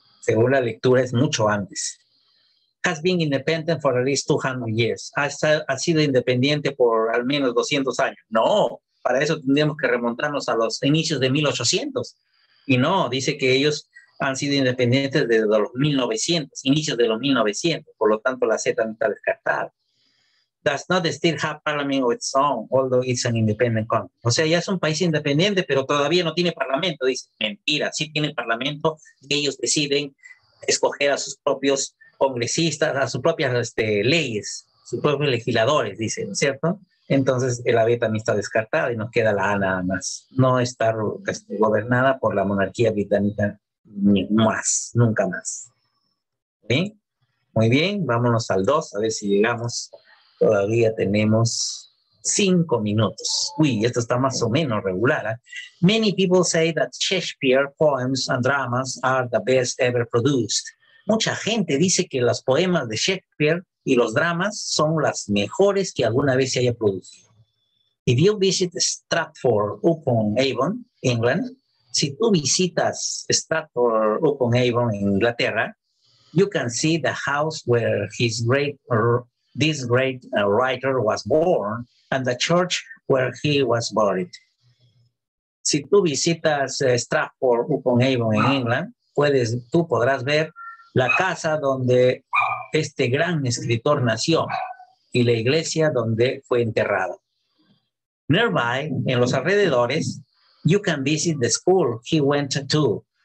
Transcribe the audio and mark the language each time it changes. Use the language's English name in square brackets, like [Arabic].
[Spanish] Según la lectura, es mucho antes. [English] Has been independent for at least 200 years. [Spanish] Ha sido independiente por al menos 200 años. No. Para eso tendríamos que remontarnos a los inicios de 1800. Y no, dice que ellos han sido independientes desde los 1900, inicios de los 1900. Por lo tanto, la Z está descartada. [English] Does not still have parliament of its own, although it's an independent country. [Spanish] O sea, ya es un país independiente, pero todavía no tiene parlamento. Dice, mentira, sí tiene parlamento. Ellos deciden escoger a sus propios congresistas, a sus propias leyes. sus propios legisladores, dice, ¿no es cierto? Entonces, la B también está descartada y nos queda la A nada más. No estar gobernada por la monarquía británica ni más, nunca más. ¿Sí? Muy bien, vámonos al 2, a ver si llegamos. Todavía tenemos 5 minutos. Uy, esto está más o menos regular. ¿Eh? [English] Many people say that Shakespeare poems and dramas are the best ever produced. [Spanish] Mucha gente dice que los poemas de Shakespeare y los dramas son las mejores que alguna vez se haya producido. [English] If you visit Stratford-upon-Avon, England, [Spanish] si tú visitas Stratford-upon-Avon, Inglaterra, [English] you can see the house where this great writer was born and the church where he was buried. [Spanish] Si tú visitas Stratford-upon-Avon en England, tú podrás ver la casa donde este gran escritor nació y la iglesia donde fue enterrado. [English] Nearby, [Spanish] en los alrededores, [English] you can visit the school he went to.